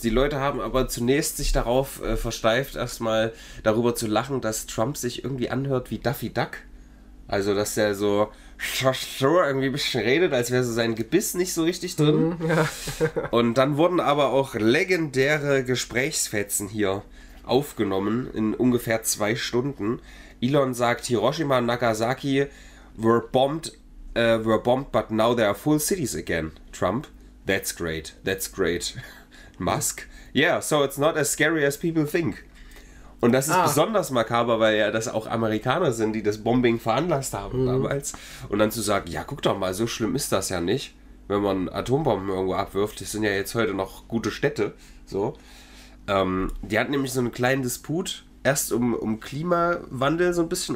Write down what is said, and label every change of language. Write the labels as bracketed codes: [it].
[de] Die Leute haben aber zunächst sich darauf versteift, erstmal darüber zu lachen, dass Trump sich irgendwie anhört wie Daffy Duck. Also, dass er so irgendwie ein bisschen redet, als wäre so sein Gebiss nicht so richtig drin. Und dann wurden aber auch legendäre Gesprächsfetzen hier aufgenommen in ungefähr 2 Stunden. Elon sagt, [en] Hiroshima und Nagasaki were bombed, but now they are full cities again. Trump, that's great, that's great. Musk, yeah, so it's not as scary as people think. [de] Und das ist besonders makaber, weil ja das auch Amerikaner sind, die das Bombing veranlasst haben damals. Und dann zu sagen, ja, guck doch mal, so schlimm ist das ja nicht, wenn man Atombomben irgendwo abwirft. Das sind ja jetzt heute noch gute Städte. So. Die hatten nämlich so einen kleinen Disput, erst um Klimawandel so ein bisschen.